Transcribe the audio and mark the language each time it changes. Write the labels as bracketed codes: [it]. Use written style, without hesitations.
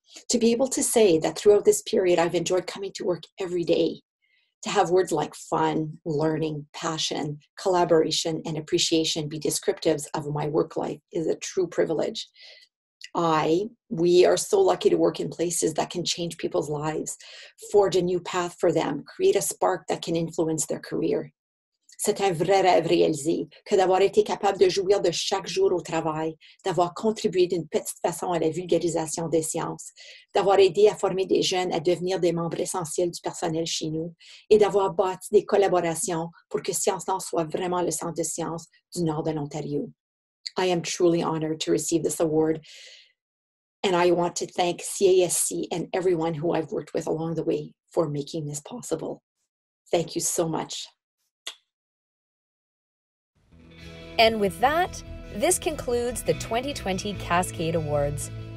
[en] To be able to say that throughout this period, I've enjoyed coming to work every day, to have words like fun, learning, passion, collaboration, and appreciation be descriptives of my work life is a true privilege. We are so lucky to work in places that can change people's lives, forge a new path for them, create a spark that can influence their career. [fr] C'est un vrai rêve réalisé que d'avoir été capable de jouir de chaque jour au travail, d'avoir contribué d'une petite façon à la vulgarisation des sciences, d'avoir aidé à former des jeunes à devenir des membres essentiels du personnel chez nous et d'avoir bâti des collaborations pour que Science North soit vraiment le centre de sciences du nord de l'Ontario. [en] I am truly honored to receive this award, and I want to thank CASC and everyone who I've worked with along the way for making this possible. Thank you so much. And with that, this concludes the 2020 CASCADE Awards.